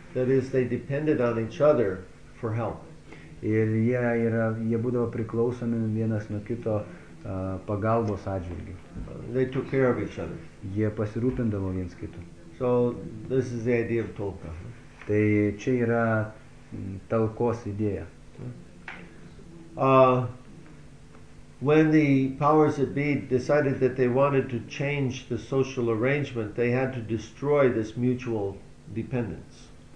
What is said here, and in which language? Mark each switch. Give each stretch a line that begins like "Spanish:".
English: That is, they depended on each other for help.
Lithuanian: Ir jie būdavo priklausomi vienas nuo kito pagalbos atžvilgiu.
English: They took care of each other.
Lithuanian: Jie pasirūpindavo viens kitu.
English: So this is the idea of talka.
Lithuanian: Tai čia yra talkos idėja.
English: When the powers that be decided that they wanted to change the social arrangement, they had to destroy this mutual dependence.